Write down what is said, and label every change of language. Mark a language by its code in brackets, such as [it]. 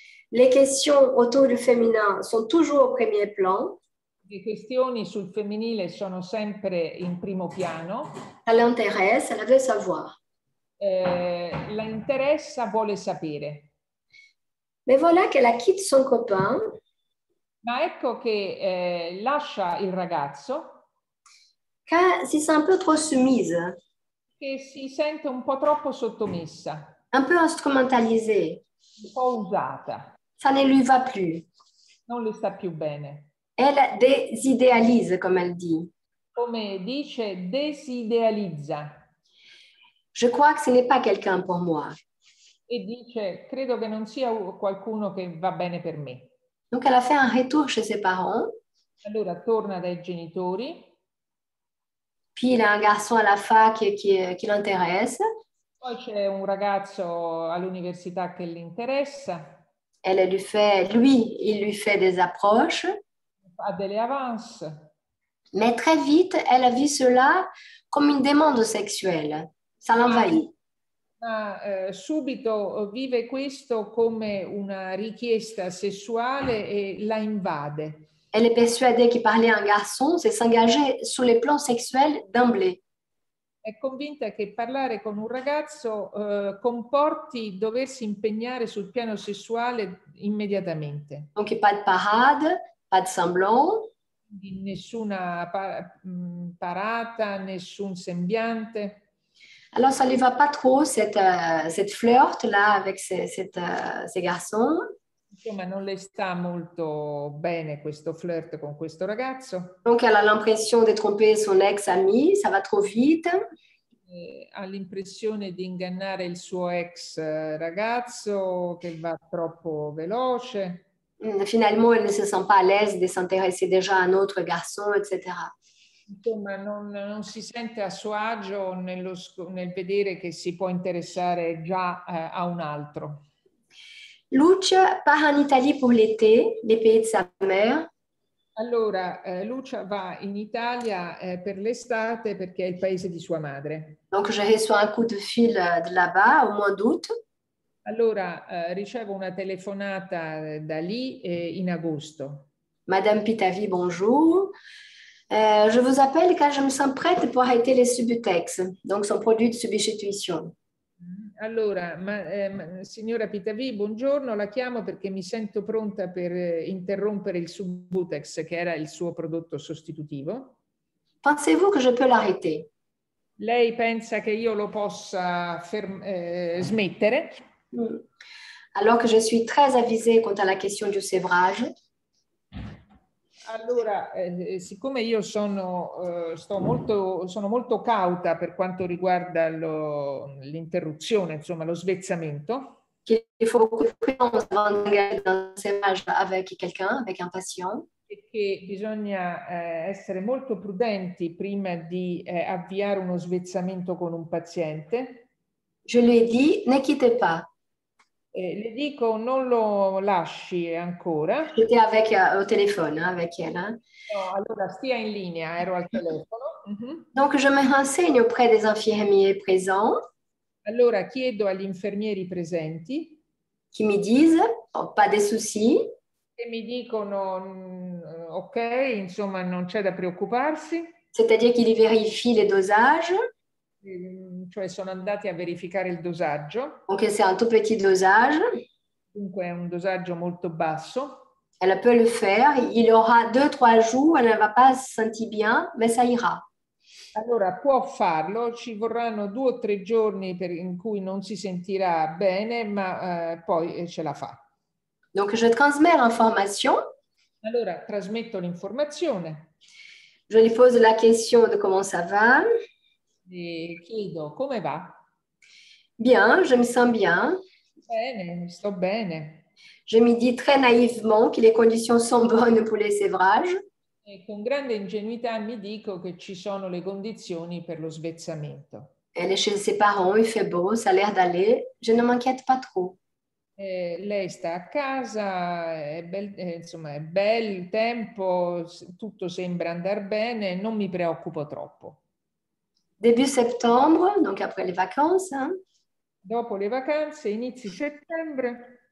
[fr] Les questions autour du féminin sont toujours au premier plan. [it] Le questioni sul femminile sono sempre in primo piano. [fr] Elle intéresse, elle veut savoir. [it] La interessa, vuole sapere. [fr] Mais voilà qu'elle a quitté son copain. [it] Ma ecco che lascia il ragazzo. Che si sente un po' [fr] trop soumise. [it] Che si sente un po' troppo sottomessa. [fr] Un peu instrumentalisée. [it] Un po' usata. [fr] Ça ne lui va plus. [it] Non le sta più bene. [fr] Elle désidéalise, comme elle dit. [it] Come dice, désidéalizza. [fr] Je crois que ce n'est pas quelqu'un pour moi. [it] E dice, credo che non sia qualcuno che va bene per me. [fr] Donc elle a fait un retour chez ses parents. [it] Allora torna dai genitori. [fr] Puis il a un garçon à la fac qui l'intéresse. [it] Poi c'è un ragazzo all'università che l'interessa. [fr] Elle lui fait, lui, il lui fait des approches. [it] Fa delle avances. [fr] Mais très vite, elle a vu cela comme une demande sexuelle. Ça l'envahit. [it] Ma subito vive questo come una richiesta sessuale e la invade. [fr] Elle est persuadée qu'il parlait à un garçon, c'est s'engager sur le plan sexuel d'emblée. [it] È convinta che parlare con un ragazzo comporti doversi impegnare sul piano sessuale immediatamente. [fr] Donc pas de parade, pas de semblant. [it] Nessuna parata, nessun sembiante. [fr] Alors ça lui va pas trop cette flirt là avec ces garçons. [it] Insomma non le sta molto bene questo flirt con questo ragazzo. [fr] Donc elle a l'impression de tromper son ex ami, ça va trop vite. [it] E ha l'impressione di ingannare il suo ex ragazzo che va troppo veloce. [fr] Finalement elle ne se sent pas à l'aise de s'intéresser déjà à un autre garçon, etc. [it] Insomma, non si sente a suo agio nel vedere che si può interessare già a un altro. [fr] Lucia part [it] in Italia per [fr] l'été, le pays de sa mère. [it] Allora, Lucia va in Italia per l'estate perché è il paese di sua madre. [fr] Donc je reçois un coup de fil de là-bas au mois d'août. [it] Allora, ricevo una telefonata da lì in agosto. [fr] Madame Pitavi, bonjour. Je vous appelle car je me sens prête pour arrêter les Subutex, donc son produit de substitution. [it] Allora, signora Pitavi, buongiorno, la chiamo perché mi sento pronta per interrompere il Subutex, che era il suo prodotto sostitutivo. [fr] Pensez-vous que je peux l'arrêter? [it] Lei pensa che io lo possa smettere? [fr] Alors que je suis très avvisée quant à la question du sevrage. [it] Allora, siccome io sono molto cauta per quanto riguarda l'interruzione, insomma, lo svezzamento. [fr] Che il faut prudence avant d'engager un sevrage avec quelqu'un, avec un patient. [it] E che bisogna essere molto prudenti prima di avviare uno svezzamento con un paziente. [fr] Je lui ai dit, ne quitte pas. [it] Le dico, non lo lasci ancora. [fr] J'étais avec au téléphone avec elle. [it] No, allora stia in linea, ero al telefono. [fr] Donc je me renseigne auprès des infirmiers présents. [it] Allora chiedo agli infermieri presenti. [fr] Qui me disent, oh, pas de soucis. [it] E mi dicono, ok, insomma non c'è da preoccuparsi. [fr] C'est-à-dire qu'ils vérifient les dosages. [it] Cioè sono andati a verificare il dosaggio. Anche se è un [fr] tout petit dosage. [it] Dunque è un dosaggio molto basso. [fr] Elle peut le faire, il aura 2-3 jours, elle ne va pas se sentir bien, mais ça ira. [it] Allora può farlo, ci vorranno 2-3 giorni in cui non si sentirà bene, ma poi ce la fa. [fr] Donc je transmets l'information. [it] Allora trasmetto l'informazione. [fr] Je lui pose la question de comment ça va. [it] E chiedo, come va? [fr] Bien, je me sens bien. [it] Bene, sto bene. [fr] Je me dis très naïvement que les conditions sont bonnes pour les sevrages. [it] E con grande ingenuità mi dico che ci sono le condizioni per lo svezzamento. [fr] Elle est chez ses parents, il fait beau, ça a l'air d'aller, je ne m'inquiète pas trop. [it] Lei sta a casa, è bel tempo, tutto sembra andar bene, non mi preoccupo troppo. [fr] Début septembre, donc après les vacances. Hein. [it] Dopo le vacanze, inizi settembre.